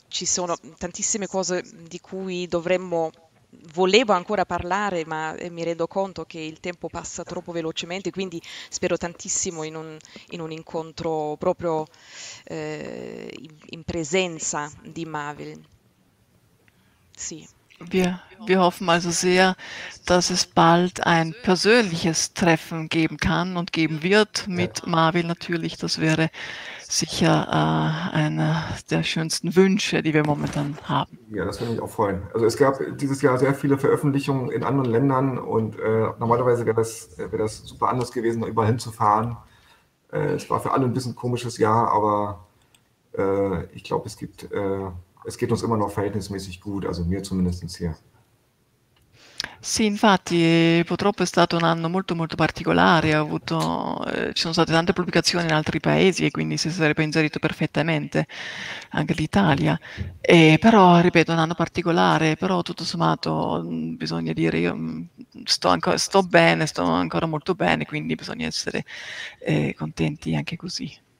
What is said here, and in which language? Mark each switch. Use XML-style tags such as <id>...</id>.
<it>Ci sono tantissime cose di cui volevo ancora parlare, ma mi rendo conto che il tempo passa troppo velocemente, quindi spero tantissimo in un incontro proprio in presenza di Mawil. Sì.</it> <de>Wir hoffen also sehr, dass es bald ein persönliches Treffen geben kann und geben wird mit Marvel natürlich. Das wäre sicher einer der schönsten Wünsche, die wir momentan haben. Ja, das würde mich auch freuen. Also es gab dieses Jahr sehr viele Veröffentlichungen in anderen Ländern und normalerweise wäre das super anders gewesen, da überall hinzufahren. Es war für alle ein bisschen ein komisches Jahr, aber ich glaube, es geht uns immer noch verhältnismäßig gut, also mir zumindest hier.</de> <it>Sì, infatti, purtroppo è stato un anno molto molto particolare, ci sono state tante pubblicazioni in altri paesi e quindi si sarebbe inserito perfettamente anche l'Italia. Però, ripeto, è un anno particolare, però tutto sommato bisogna dire io sto ancora molto bene, quindi bisogna essere contenti anche così.</it>